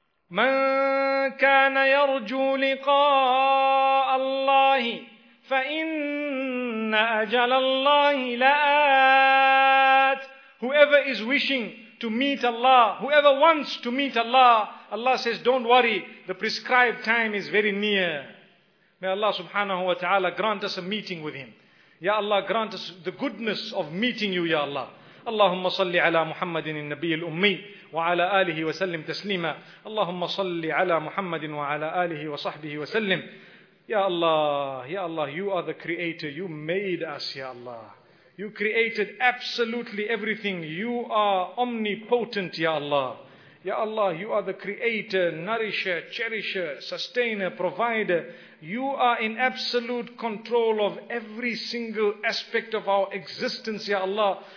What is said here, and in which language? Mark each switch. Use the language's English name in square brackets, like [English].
[Arabic] مَنْ كَانَ يَرْجُو لِقَاءَ اللَّهِ فَإِنَّ أَجَلَ اللَّهِ لَآتِ. [English] Whoever is wishing to meet Allah, whoever wants to meet Allah, Allah says, don't worry, the prescribed time is very near. May Allah subhanahu wa ta'ala grant us a meeting with Him. Ya Allah, grant us the goodness of meeting You, Ya Allah. [Arabic] اللهم صل على محمد النبي الأمي وعلى آله وسلم تسليما. اللهم صل على محمد وعلى آله وصحبه وسلم. [English] Ya Allah, Ya Allah, You are the Creator. You made us, Ya Allah. You created absolutely everything. You are omnipotent, Ya Allah. Ya Allah, You are the Creator, Nourisher, Cherisher, Sustainer, Provider. You are in absolute control of every single aspect of our existence, Ya Allah.